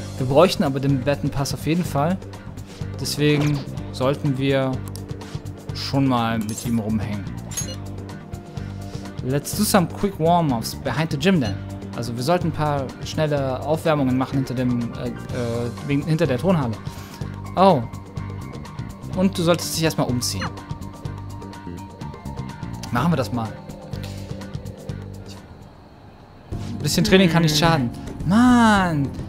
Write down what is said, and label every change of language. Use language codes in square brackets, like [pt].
[de] Wir bräuchten aber den Wetten Pass auf jeden Fall. Deswegen sollten wir schon mal mit ihm rumhängen. [en] Let's do some quick warm-ups behind the gym then. [de] Also wir sollten ein paar schnelle Aufwärmungen machen hinter dem hinter der Turnhalle. Oh. Und du solltest dich erstmal umziehen. Machen wir das mal. Ein bisschen Training kann nicht schaden. Mann!